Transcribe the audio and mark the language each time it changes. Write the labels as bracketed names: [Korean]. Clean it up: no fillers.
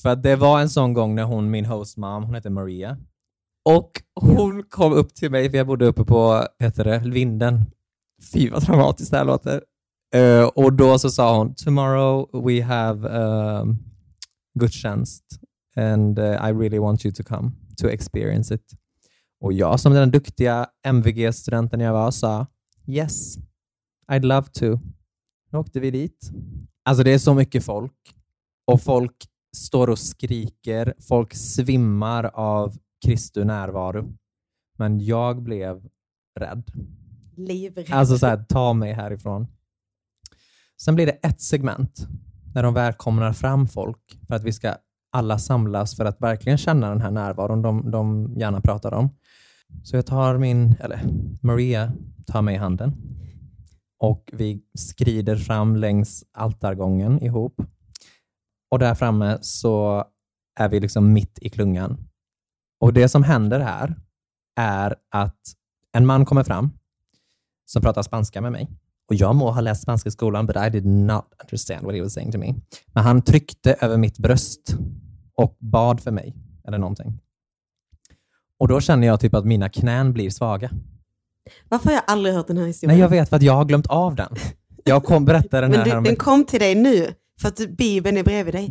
[Swedish] För att det var en sån gång när hon, min hostmom, hon heter Maria. Och hon kom upp till mig, för jag bodde uppe på, heter det, vinden. Fy vad dramatiskt det här låter. Och då så sa hon, [English] tomorrow we have gudstjänst. And I really want you to come to experience it. [Swedish] Och jag som den duktiga MVG-studenten jag var sa, [English] yes, I'd love to. [Swedish] Då åkte vi dit. Alltså det är så mycket folk. Och folk står och skriker. Folk svimmar av Kristu närvaro. Men jag blev rädd. Livrädd. Alltså så här, ta mig härifrån. Sen blir det ett segment när de välkomnar fram folk för att vi ska alla samlas för att verkligen känna den här närvaron de gärna pratar om. Så jag tar Maria tar mig i handen och vi skrider fram längs altargången ihop. Och där framme så är vi liksom mitt i klungan. Och det som händer här är att en man kommer fram som pratar spanska med mig. Och jag må ha läst spanska i skolan, [English] but I did not understand what he was saying to me. [Swedish] Men han tryckte över mitt bröst och bad för mig, eller någonting. Och då känner jag typ att mina knän blir svaga. Varför har jag aldrig hört den här historien? Nej, jag vet, för att jag har glömt av den. Jag kom berätta den här. Men den kom till dig nu. För att Bibeln är bredvid dig.